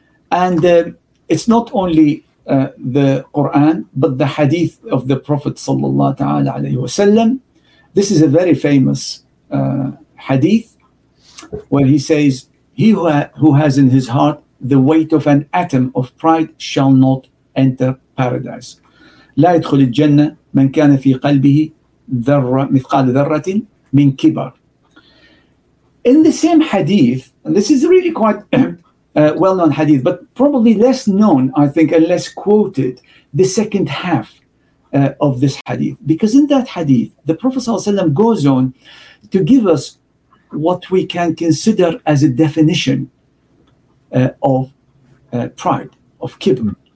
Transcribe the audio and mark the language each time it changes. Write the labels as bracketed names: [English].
[English] And it's not only... the Quran, but the hadith of the Prophet sallallahu ta'ala alayhi wa sallam. This is a very famous hadith where he says, he who has in his heart the weight of an atom of pride shall not enter paradise. [Arabic] لا يدخل الجنة من كان في قلبه ذرة مثقال ذرة من كبر. [English] In the same hadith, and this is really quite well-known hadith, but probably less known, I think, and less quoted, the second half of this hadith. Because in that hadith, the Prophet ﷺ goes on to give us what we can consider as a definition of pride, of kibr.